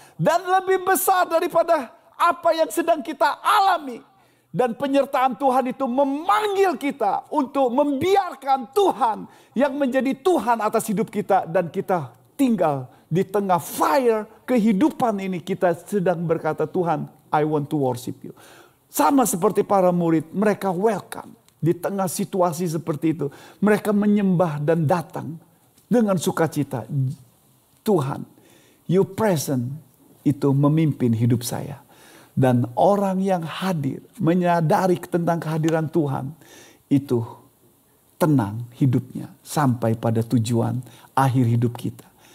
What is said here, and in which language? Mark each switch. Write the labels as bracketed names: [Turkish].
[Indonesian] Dan lebih besar daripada apa yang sedang kita alami. Dan penyertaan Tuhan itu memanggil kita untuk membiarkan Tuhan yang menjadi Tuhan atas hidup kita. Dan kita tinggal di tengah fire kehidupan ini. Kita sedang berkata, Tuhan, [English] I want to worship you. [Indonesian] Sama seperti para murid, mereka welcome. Di tengah situasi seperti itu, mereka menyembah dan datang dengan sukacita. Tuhan, your presence itu memimpin hidup saya. Dan orang yang hadir menyadari tentang kehadiran Tuhan itu tenang hidupnya sampai pada tujuan akhir hidup kita.